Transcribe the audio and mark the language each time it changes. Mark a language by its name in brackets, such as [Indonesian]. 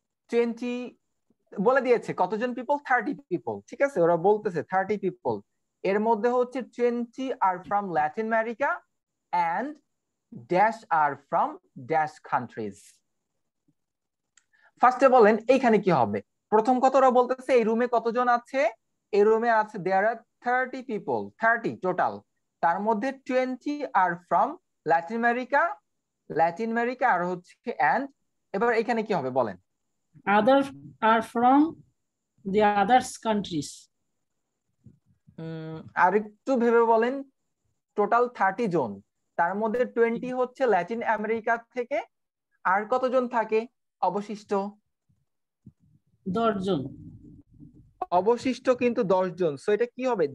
[Bangla] 20 বলে দিয়েছে কতজন people 30 people ঠিক আছে ওরা বলতেছে 30 people এর মধ্যে হচ্ছে [English] 20 are from Latin America and dash are from dash countries [Bangla] ফার্স্টে বলেন এইখানে কি হবে প্রথম কথা ওরা বলতেছে এই রুমে কতজন আছে এই রুমে আছে [English] there are 30 people 30 total [Bangla] তার মধ্যে [English] 20 are from Latin America [Bangla] আর হচ্ছে and এবার এখানে কি হবে বলেন [English] others are from the others countries [Bangla] আর একটু ভেবে বলেন টোটাল 30 জন তার মধ্যে 20 হচ্ছে ল্যাটিন আমেরিকা থেকে আর কতজন থাকে অবশিষ্ট 10 জন অবশিষ্ট কিন্তু 10 জন সো এটা কি হবে